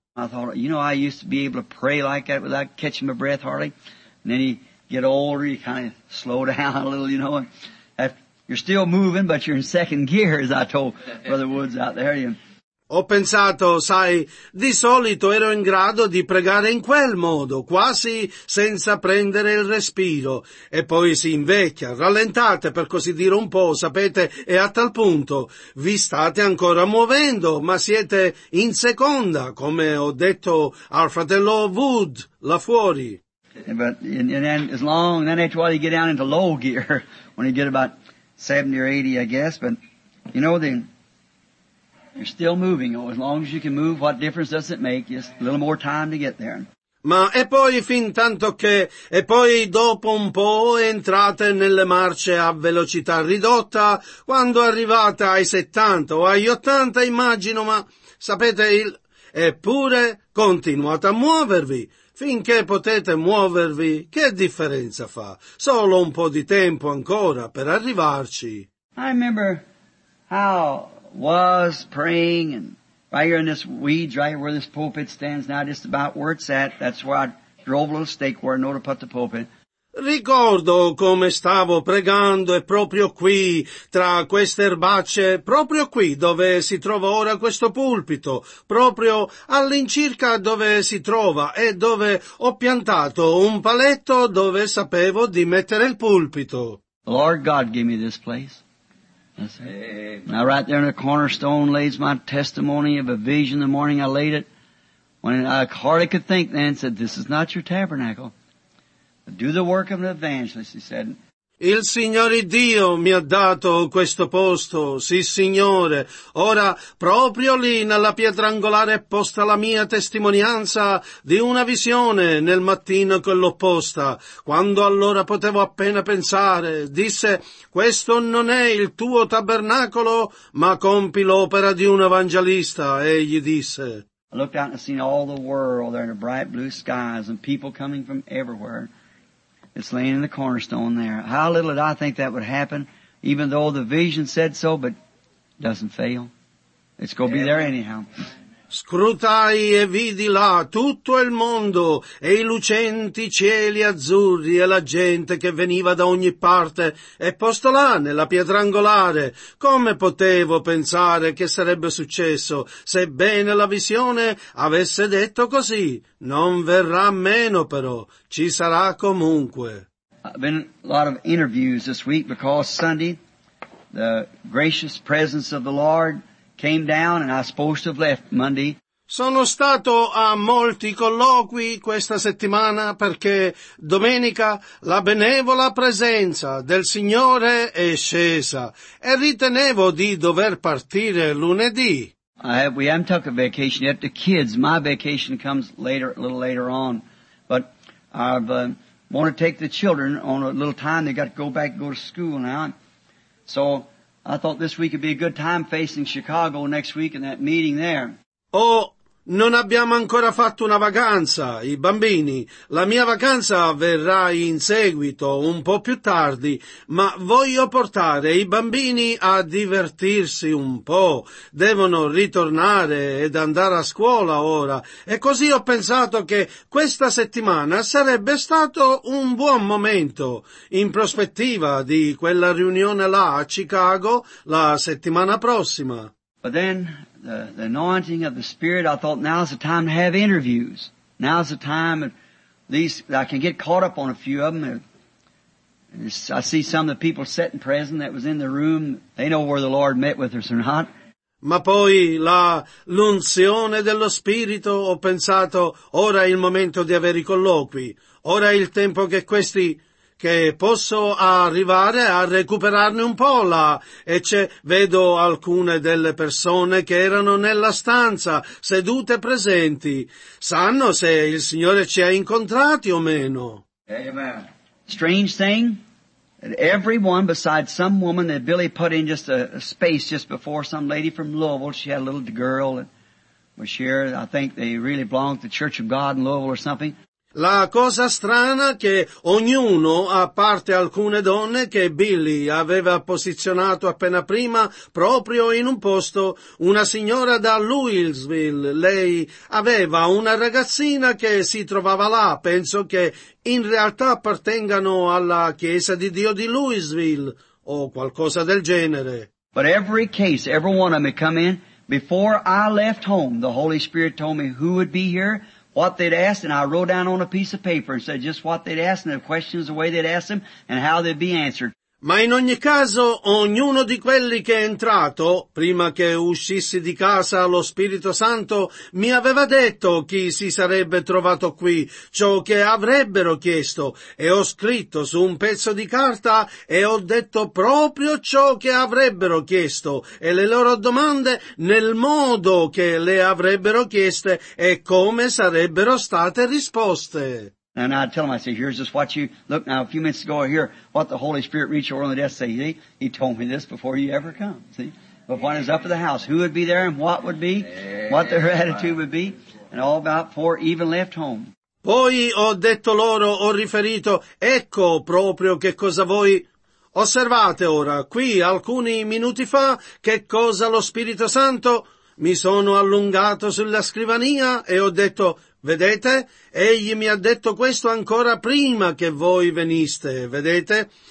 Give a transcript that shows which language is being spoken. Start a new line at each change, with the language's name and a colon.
English: I thought, you know, I used to be able to pray like that without catching my breath hardly. And then you get older, you kind of slow down a little, you know. And you're still moving, but you're in second gear, as I told Brother Woods out there.
Italian: Ho pensato, sai, di solito ero in grado di pregare in quel modo, quasi senza prendere il respiro. E poi si invecchia, rallentate per così dire un po', sapete, e a tal punto vi state ancora muovendo, ma siete in seconda, come ho detto al fratello Wood, là fuori.
English: But then as long, then after while you get down into low gear, when you get about 70 or 80, I guess, but you know then... You're still moving. Oh, as long as you can move, what difference does it make? Just a little more time to get there.
Italian: Ma e poi fin tanto che, e poi dopo un po' entrate nelle marce a velocità ridotta, quando arrivate ai 70 o agli 80 immagino, ma sapete il... Eppure continuate a muovervi, finché potete muovervi, che differenza fa? Solo un po' di tempo ancora per arrivarci.
English: I remember how... was praying and right here in this weeds right where this pulpit stands now just about where it's at. That's where I drove a little stake where I know to put the pulpit.
Italian: Ricordo come stavo pregando e proprio qui tra queste erbacce, proprio qui dove si trova ora questo pulpito, proprio all'incirca dove si trova e dove ho piantato un paletto dove sapevo di mettere il pulpito.
English: Lord God gave me this place. Now right there in the cornerstone lays my testimony of a vision the morning I laid it When I hardly could think then, said, this is not your tabernacle. Do the work of an evangelist, he said.
Italian: Il Signore Dio mi ha dato questo posto, sì Signore. Ora, proprio lì, nella pietra angolare, è posta la mia testimonianza di una visione nel mattino che l'ho posta. Quando allora potevo appena pensare, disse, questo non è il tuo tabernacolo, ma compi l'opera di un evangelista, egli disse.
English: I looked out and seen all the world there in the bright blue skies and people coming from everywhere. It's laying in the cornerstone there. How little did I think that would happen, even though the vision said so, but doesn't fail. It's going to be there anyhow.
Italian: Scrutai e vidi là tutto il mondo e i lucenti cieli azzurri e la gente che veniva da ogni parte e posto là nella pietra angolare. Come potevo pensare che sarebbe successo, sebbene la visione avesse detto così? Non verrà meno però, ci sarà comunque.
English: I've been a lot of interviews this week because Sunday, the gracious presence of the Lord came down and I supposed to have left Monday.
Italian: Sono stato a molti colloqui questa settimana perché domenica la benevola presenza del Signore è scesa e ritenevo di dover partire lunedì.
English: We haven't took a vacation yet. The kids, my vacation comes later, a little later on. But I've want to take the children on a little time. They got to go back and go to school now. So I thought this week would be a good time facing Chicago next week in that meeting there.
Italian: Oh, non abbiamo ancora fatto una vacanza, i bambini. La mia vacanza verrà in seguito, un po' più tardi, ma voglio portare i bambini a divertirsi un po'. Devono ritornare ed andare a scuola ora. E così ho pensato che questa settimana sarebbe stato un buon momento, in prospettiva di quella riunione là a Chicago la settimana prossima.
English: But then the anointing of the Spirit, I thought now's the time to have interviews. Now's the time at least I can get caught up on a few of them. I see some of the people sitting present that was in the room. They know where the Lord met with us or not.
Italian: Ma poi la l'unzione dello Spirito, ho pensato, ora è il momento di avere i colloqui. Ora è il tempo che questi, che posso arrivare a recuperarne un po' là, e c'è, vedo alcune delle persone che erano nella stanza, sedute presenti. Sanno se il Signore ci ha incontrati o meno. Amen.
English: Strange thing, everyone besides some woman that Billy put in just a space just before, some lady from Louisville, she had a little girl and was here, I think they really belonged to the Church of God in Louisville or something.
Italian: La cosa strana che ognuno, a parte alcune donne che Billy aveva posizionato appena prima, proprio in un posto, una signora da Louisville, lei aveva una ragazzina che si trovava là, penso che in realtà appartengano alla Chiesa di Dio di Louisville, o qualcosa del genere.
English: But every case, every one of them come in, before I left home, the Holy Spirit told me who would be here, what they'd asked, and I wrote down on a piece of paper and said just what they'd asked, and the questions, the way they'd ask them, and how they'd be answered.
Italian: Ma in ogni caso, ognuno di quelli che è entrato, prima che uscissi di casa, lo Spirito Santo mi aveva detto chi si sarebbe trovato qui, ciò che avrebbero chiesto, e ho scritto su un pezzo di carta e ho detto proprio ciò che avrebbero chiesto, e le loro domande nel modo che le avrebbero chieste e come sarebbero state risposte.
English: And I tell him, I say, here's just what you, look now, a few minutes ago, I hear what the Holy Spirit reached over on the desk, say, he told me this before you ever come, see? But what is up at the house, who would be there and what would be, what their attitude would be, and all about four even left home.
Italian: Poi ho detto loro, ho riferito, ecco proprio che cosa voi... Osservate ora, qui alcuni minuti fa, che cosa lo Spirito Santo... Mi sono allungato sulla scrivania e ho detto, vedete, egli mi ha detto questo ancora prima che voi veniste, vedete?